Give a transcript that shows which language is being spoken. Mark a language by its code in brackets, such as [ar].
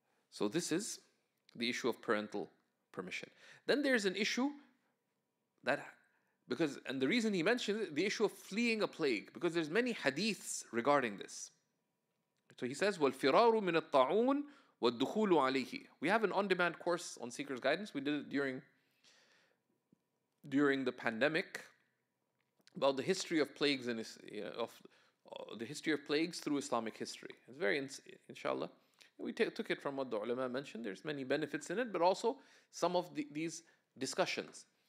[en] So this is the issue of parental permission. Then there's an issue that, because, and the reason he mentioned it, the issue of fleeing a plague, because there's many hadiths regarding this. So he says, [ar] وَالْفِرَارُ مِنَ الطَّعُونَ وَالدُّخُولُ عَلَيْهِ. [en] We have an on-demand course on Seeker's Guidance. We did it during the pandemic about the history of plagues in, of the history of plagues through Islamic history. It's very, inshallah. We took it from what the ulama mentioned. There's many benefits in it, but also some of these discussions.